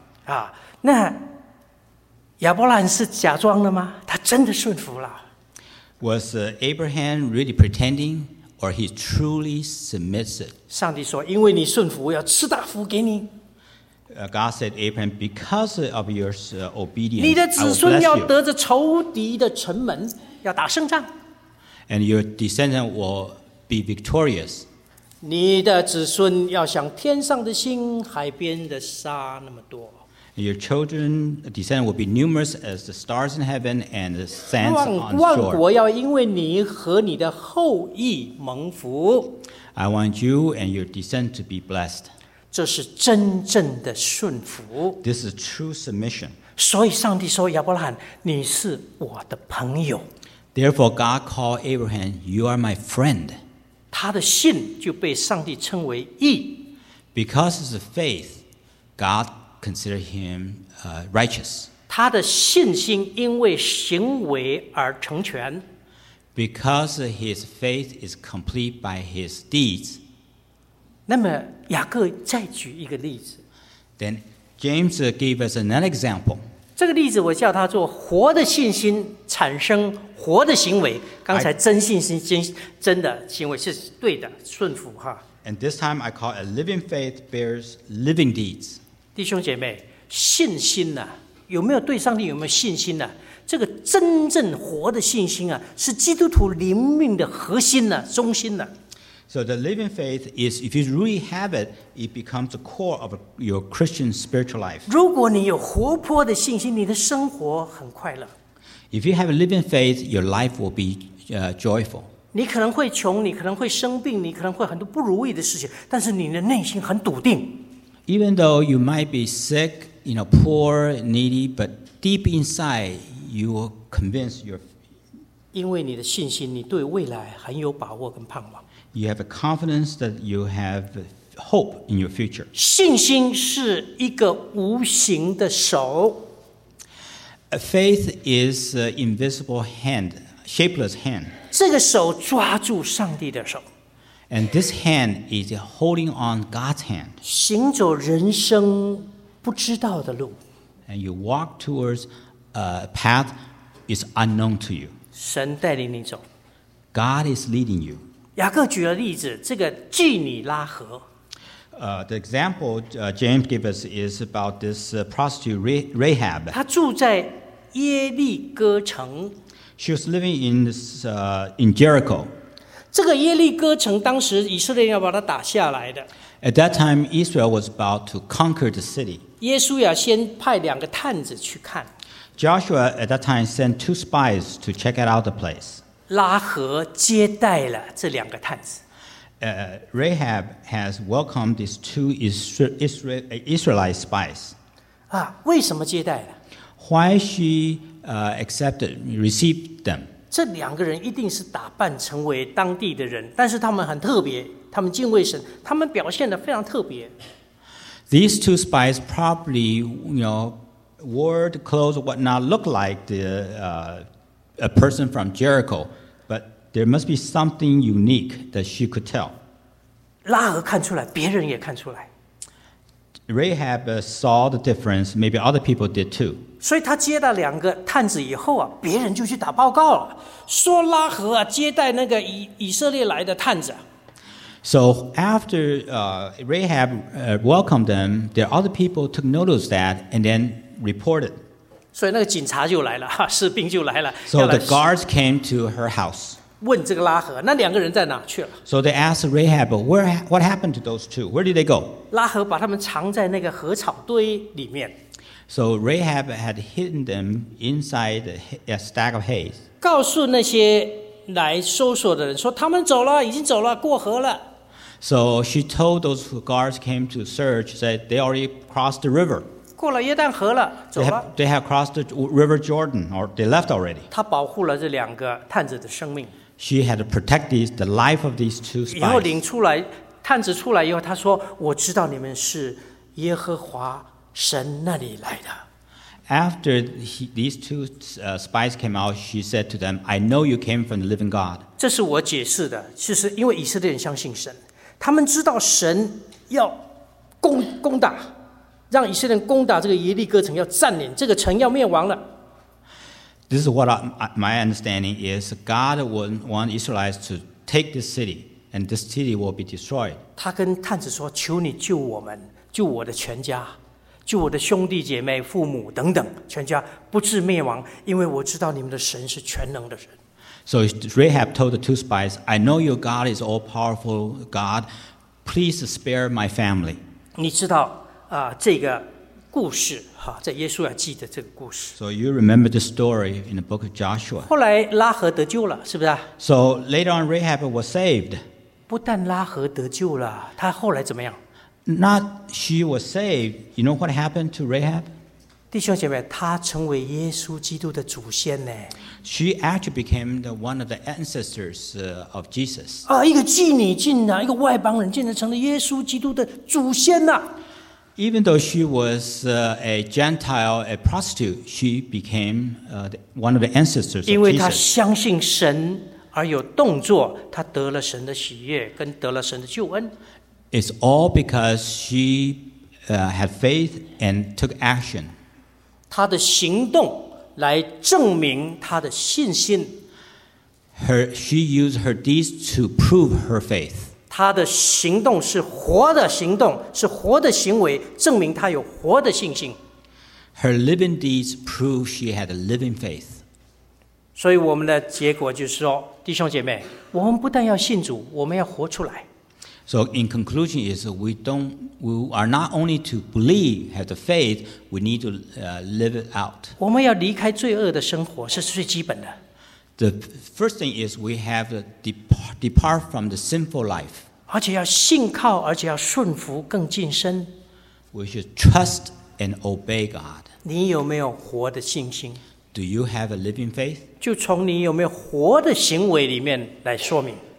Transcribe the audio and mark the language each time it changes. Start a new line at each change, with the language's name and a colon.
Chinese: 啊，那亚伯兰是假装的吗？他真的顺服了。
English: Was Abraham really pretending, or he truly submitted?
Chinese: 上帝说，因为你顺服，我要赐大福给你。
English: God said, Abraham, because of your obedience,
Chinese: 你的子孙要得着仇敌的城门，要打胜仗。
English: And your descendant will be victorious.
Chinese: 你的子孙要像天上的星，海边的沙那么多。
English: Your children, descendants will be numerous as the stars in heaven and the sands on shore.
Chinese: 万国要因为你和你的后裔蒙福。
English: I want you and your descendants to be blessed.
Chinese: 这是真正的顺服。
English: This is true submission.
Chinese: 所以上帝说，亚伯兰，你是我的朋友。
English: Therefore, God called Abraham, "You are my friend."
Chinese: 他的信就被上帝称为义。
English: Because of the faith, God consider him righteous.
Chinese: 他的信心因为行为而成全。
English: Because his faith is complete by his deeds.
Chinese: 那么雅各再举一个例子。
English: Then James gave us another example.
Chinese: 这个例子我叫他做活的信心产生活的行为。刚才真信心 真的行为是对的，顺服哈。
English: And this time I call a living faith bears living deeds.
Chinese: 弟兄姐妹，信心呢、啊？有没有对上帝有没有信心呢、啊？这个真正活的信心啊，是基督徒灵命的核心呢、啊，中心呢、啊。
English: So the living faith is, if you really have it, it becomes the core of your Christian spiritual life.
Chinese: 如果你有活泼的信心，你的生活很快乐。
English: If you have a living faith, your life will be joyful.
Chinese: 你可能会穷，你可能会生病，你可能会很多不如意的事情，但是你的内心很笃定。
English: Even though you might be sick, you know, poor, needy, but deep inside, you will convince your.
Chinese: 因为你的信心，你对未来很有把握跟盼望。
English: You have a confidence that you have hope in your future.
Chinese: 信心是一个无形的手。
English: Faith is an invisible hand, shapeless hand.
Chinese: 这个手抓住上帝的手。
English: And this hand is holding on God's hand.
Chinese: 行走人生不知道的路。
English: And you walk towards a path is unknown to you.
Chinese: 神带领你走。
English: God is leading you.
Chinese: 雅各举了例子，这个妓女拉合。
English: the example James gave us is about this prostitute Rahab.
Chinese: 她住在耶利哥城。
English: She was living in this in Jericho.
Chinese: 这个耶利哥城当时以色列要把它打下来的。
English: At that time, Israel was about to conquer the city.
Chinese: 耶稣亚先派两个探子去看。
English: Joshua at that time sent two spies to check out the place.
Chinese: 拉合接待了这两个探子。
English: Rahab has welcomed these two Israelite spies.
Chinese: 啊，为什么接待了？
English: Why she accepted, received them?
Chinese: 这两个人一定是打扮成为当地的人，但是他们很特别，他们敬畏神，他们表现得非常特别。
English: These two spies probably, you know, wore the clothes what not look like the a person from Jericho, but there must be something unique that she could tell.
Chinese: 拉合看出来，别人也看出来。
English: Rahab saw the difference, maybe other people did too.
Chinese: 所以他接到两个探子以后啊，别人就去打报告了，说拉合啊接待那个以色列来的探子。
English: So after Rahab welcomed them, the other people took notice that and then reported.
Chinese: 所以那个警察就来了，士兵就来了。
English: So the guards came to her house.
Chinese: 问这个拉合，那两个人在哪去了？
English: So they asked Rahab, what happened to those two? Where did they go?
Chinese: 拉合把他们藏在那个禾草堆里面。
English: So Rahab had hidden them inside a stack of hay.
Chinese: 告诉那些来搜索的人说他们走了，已经走了，过河了。
English: So she told those who guards came to search, said they already crossed the river.
Chinese: 过了约旦河了，走了。
English: They have crossed the river Jordan, or they left already.
Chinese: 她保护了这两个探子的生命。
English: She had protected the life of these two spies.
Chinese: 以后领出来，探子出来以后，她说：“我知道你们是耶和华神那里来的。”
English: After these two spies came out, she said to them, "I know you came from the living God."
Chinese: 这是我解释的，就是因为以色列人相信神，他们知道神要攻打，让以色列人攻打这个耶利哥城，要占领这个城，要灭亡了。
English: This is what my understanding is. God would want Israelites to take this city, and this city will be destroyed.
Chinese: 他跟探子说：“求你救我们，救我的全家。” 救我的兄弟姐妹、父母等等，全家不至灭亡，因为我知道你们的神是全能的神。
English: So Rahab told the two spies, "I know your God is all-powerful God. Please spare my family."
Chinese: 你知道啊，这个故事哈，在耶稣亚记的这个故事。
English: So you remember the story in the book of Joshua.
Chinese: 后来拉合得救了，是不是
English: ？So later on, Rahab was saved.
Chinese: 不但拉合得救了，他后来怎么样？
English: Not she was saved. You know what happened to Rahab?
Chinese: 弟兄姐妹，她成为耶稣基督的祖先呢。
English: She actually became the one of the ancestors of Jesus.
Chinese: 啊，一个妓女竟然，一个外邦人竟然成了耶稣基督的祖先呐。
English: Even though she was a Gentile, a prostitute, she became one of the ancestors of Jesus.
Chinese: 因为她相信神而有动作，她得了神的喜悦，跟得了神的救恩。
English: It's all because she had faith and took action.
Chinese: 她的行动来证明她的信心。
English: She used her deeds to prove her faith.
Chinese: 她的行动是活的行动，是活的行为，证明她有活的信心。
English: Her living deeds prove she had a living faith.
Chinese: 所以我们的结果就是说，弟兄姐妹，我们不但要信主，我们要活出来。
English: So in conclusion is we are not only to believe, have the faith, we need to live it out.
Chinese: 我们要离开罪恶的生活是最基本的。
English: The first thing is we have to depart from the sinful life.
Chinese: 而且要信靠，而且要顺服，更近身。
English: We should trust and obey God.
Chinese: 你有没有活的信心？
English: Do you have a living faith?
Chinese: 就从你有没有活的行为里面来说明。